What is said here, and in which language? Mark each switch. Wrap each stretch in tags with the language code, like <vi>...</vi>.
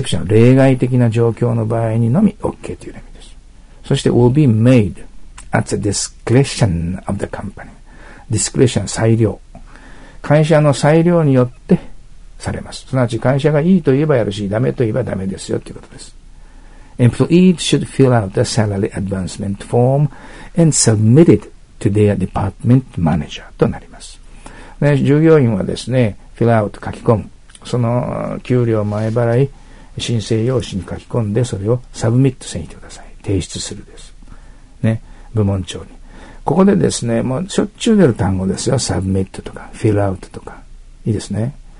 <ja>Exceptional、例外的な状況の場合にのみ OK という意味です。そして</ja> <en>will be made at the discretion of the company。</en> <ja>Discretion、裁量。会社の裁量によって、されます。すなわち会社がいいと言えばやるし、ダメと言えばダメですよということです。</ja> <en>Employees should fill out the salary advancement form and submit it to their department manager となります。</en> <ja>で、従業員はですね、fill out 書き込む。その給料前払い申請用紙に書き込んで、それを submit せんいてください。提出するです。ね、部門長に。ここでですね、もうしょっちゅう出る単語ですよ。 submit とか、fill out とか。いいですね。</ja>